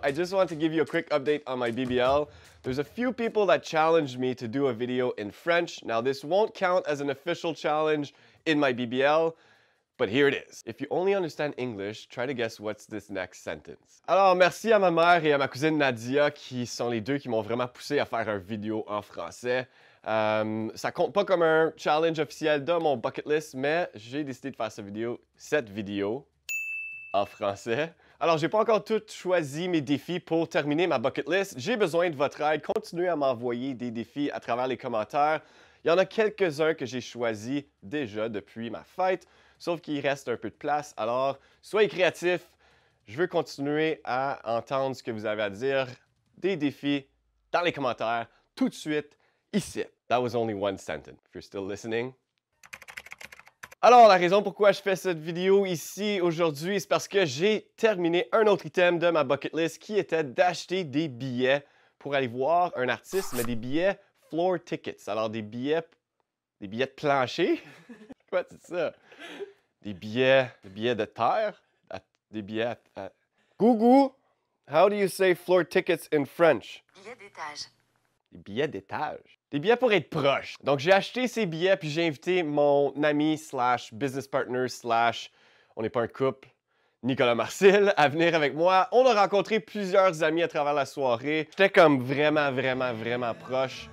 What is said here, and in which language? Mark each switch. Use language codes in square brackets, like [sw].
[en] I just want to give you a quick update on my BBL. There's a few people that challenged me to do a video in French. Now, this won't count as an official challenge in my BBL, but here it is. If you only understand English, try to guess what's this next sentence. [fr] Alors, merci à ma mère et à ma cousine Nadia, qui sont les deux qui m'ont vraiment poussé à faire un vidéo en français. Ça compte pas comme un challenge officiel de mon bucket list, mais j'ai décidé de faire cette vidéo en français. Alors, j'ai pas encore tout choisi mes défis pour terminer ma bucket list. J'ai besoin de votre aide. Continuez à m'envoyer des défis à travers les commentaires. Il y en a quelques-uns que j'ai choisis déjà depuis ma fête, sauf qu'il reste un peu de place. Alors, soyez créatifs. Je veux continuer à entendre ce que vous avez à dire. Des défis dans les commentaires, tout de suite, ici. [en] That was only one sentence. If you're still listening. [fr] Alors, la raison pourquoi je fais cette vidéo ici aujourd'hui, c'est parce que j'ai terminé un autre item de ma bucket list qui était d'acheter des billets pour aller voir un artiste, mais des billets floor tickets. Alors, des billets de plancher. Quoi, c'est ça? Des billets de terre? Des billets à... [en] Gougou, how do you say floor tickets in French? [fr] Billets d'étage. Des billets d'étage. Des billets pour être proche. Donc, j'ai acheté ces billets, puis j'ai invité mon ami slash business partner slash, on n'est pas un couple, Nicolas Marcil, à venir avec moi. On a rencontré plusieurs amis à travers la soirée. J'étais comme vraiment, vraiment, vraiment proche.